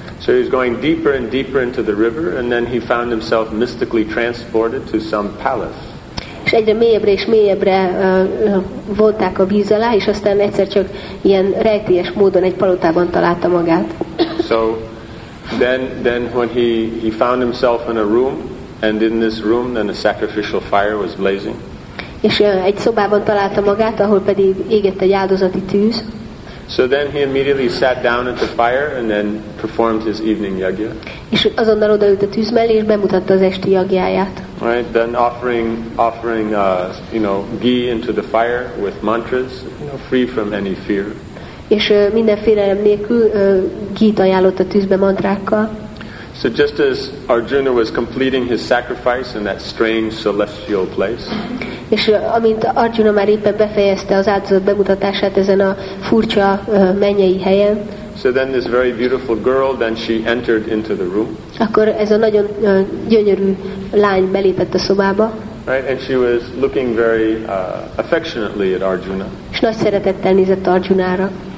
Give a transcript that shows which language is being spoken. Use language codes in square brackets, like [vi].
[en] So he was going deeper and deeper into the river, and then he found himself mystically transported to some palace. [hu] És egyre mélyebbre és mélyebbre vonták a víz alá, és aztán egyszer csak ilyen rejtélyes módon egy palotában találta magát. [en] So then when he found himself in a room, and in this room then a sacrificial fire was blazing. [hu] És egy szobában találta magát, ahol pedig égett egy áldozati tűz. [en] So then he immediately sat down at the fire and then performed his evening yagya. [hu] És azonnal odaült a tűz mellé és bemutatta az esti yagyáját. [en] Right, then offering you know, ghee into the fire with mantras, you know, free from any fear. [hu] És minden félelem nélkül ghee-t ajánlott a tűzbe mantrákkal. [en] So just as Arjuna was completing his sacrifice in that strange celestial place, [hu] és amint Arjuna már éppen befejezte az áldozat bemutatását ezen a furcsa mennyei helyen, [en] so then this very beautiful girl, then she entered into the room. [hu] Akkor ez a nagyon gyönyörű lány belépett a szobába. [en] Right, and she was looking very affectionately at Arjuna. [hu] És nagy szeretettel nézett Arjunára.